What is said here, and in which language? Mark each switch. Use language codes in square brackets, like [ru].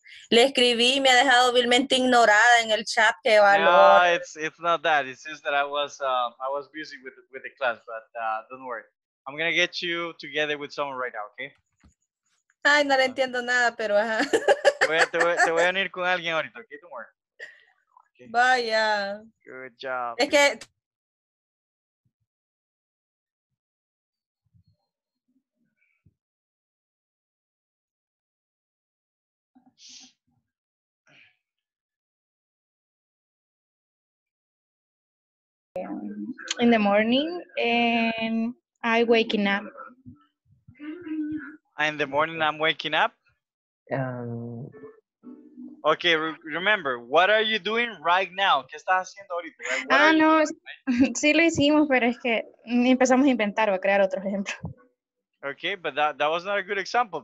[es] Le escribí, me ha dejado vilmente ignorada en el chat, qué valor. [en] No, it's not that. It's just that I was busy with the class, but don't worry. I'm going to get you together with someone right now, okay? [es] Ay, no le entiendo nada, pero ajá. Te voy a unir con alguien ahorita, okay, [en] don't worry. [es] Okay. Vaya. [en] Good job. [es] Es que... [en] In the morning, and I waking up. In the morning, I'm waking up. Okay, remember, what are you doing right now? [es] ¿Qué estás haciendo ahorita? Ah, no, sí lo hicimos, pero es que empezamos a inventar o a crear otro ejemplo. [en] Okay, but that was not a good example.